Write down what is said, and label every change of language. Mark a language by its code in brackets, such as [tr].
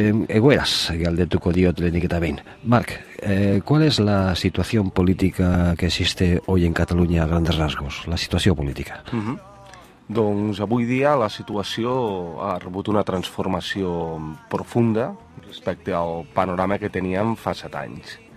[eu] Egoeraz galdetuko diot lehenik eta behin. [es] Mark, ¿cuál es la situación política que existe hoy en Cataluña a grandes rasgos? La situación política. [ca] Doncs avui dia la situació ha rebut una transformació profunda respecte al panorama que teníem fa 7 anys.